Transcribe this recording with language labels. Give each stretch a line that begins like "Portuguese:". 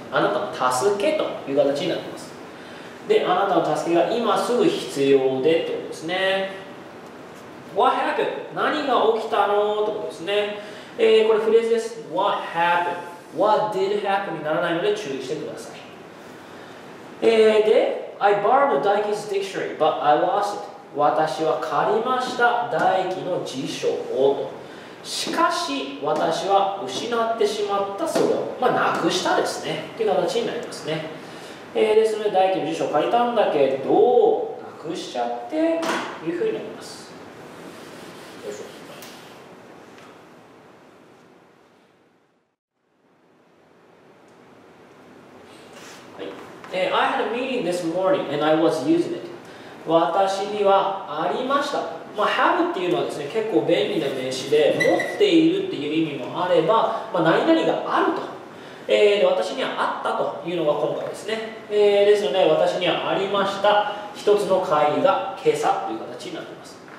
Japanese: あなたの助けという形になっています。で、あなたの助けが今すぐ必要でということですね。
English: What happened?
Japanese: 何が起きたのということですね。これフレーズです。
English: What happened? What did happen?
Japanese: にならないので注意してください。
English: で、I borrowed the Daiki's dictionary, but I lost it.
Japanese: 私は借りました大輝の辞書をと。しかし私は失ってしまったそれを、まあ、なくしたですねという形になりますね。ですので大輝の辞書を借りたんだけどなくしちゃってというふうになります。よいしょ。はい。
English: I had a meeting this morning and I was using it.
Japanese: 私にはありました。まあ、have っていうのはですね、結構便利な名詞で、持っているっていう意味もあれば、まあ、何々があると、私にはあったというのが今回ですね。ですので、私にはありました。一つの会議が今朝という形になっています。